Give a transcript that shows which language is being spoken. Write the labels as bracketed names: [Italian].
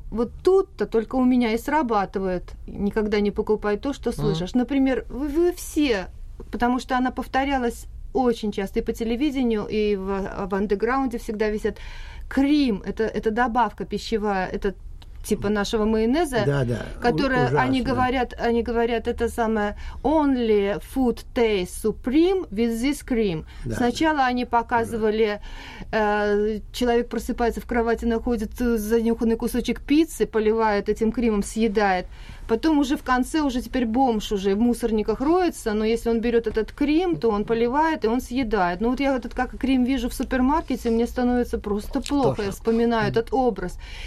[Russian] Вот тут-то только у меня и срабатывает. Никогда не покупай то, что слышишь. Uh-huh. Например, вы все, потому что она повторялась очень часто и по телевидению, и в андеграунде всегда висят. Крем – это добавка пищевая, это типа нашего майонеза, да, которая, они говорят, это самое [English] «Only food tastes supreme with this cream». [Russian] Да, сначала они показывали, человек просыпается в кровати, находит занюханный кусочек пиццы, поливает этим кремом, съедает. Потом уже в конце, уже теперь бомж уже в мусорниках роется, но если он берет этот крем, то он поливает и он съедает. Ну вот я этот как крем вижу в супермаркете, мне становится просто плохо, я вспоминаю этот образ.